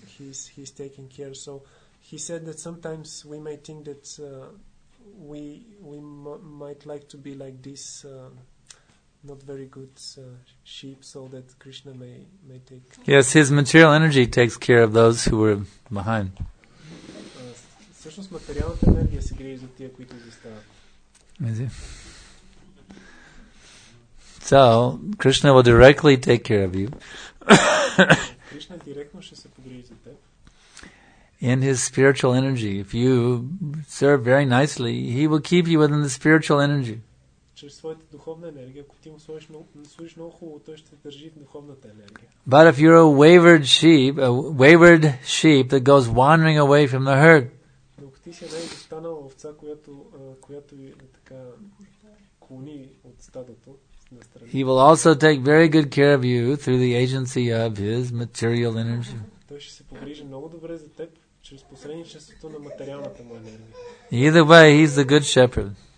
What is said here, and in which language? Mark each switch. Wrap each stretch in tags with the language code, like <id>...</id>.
<en>he's taking care. So he said that sometimes we may think that we might like to be like this. Not very good sheep, so that Krishna may take. Yes, his material energy takes care of those who were behind.</en> <bg>Всъщност материалната енергия се грижи за тия, които застават.</bg> <en>So Krishna will directly take care of you.</en> <bg>Krishna директно ще се погрижи за теб.</bg> <en>In his spiritual energy, if you serve very nicely, he will keep you within the spiritual energy.</en> <bg>Чрез своята духовна енергия, ако ти му служиш много хубаво, той ще държи в духовната енергия.</bg> <en>But if you're a wayward sheep that goes wandering away from the herd,</en> <bg>ако ти си една изостанала овца, която така клони от стадото,</bg> <en>he will also take very good care of you through the agency of his material energy.</en> <bg>Той ще се погрижи много добре за теб чрез посредничеството на материалната му енергия.</bg> <en>Either way, he's the good shepherd.</en>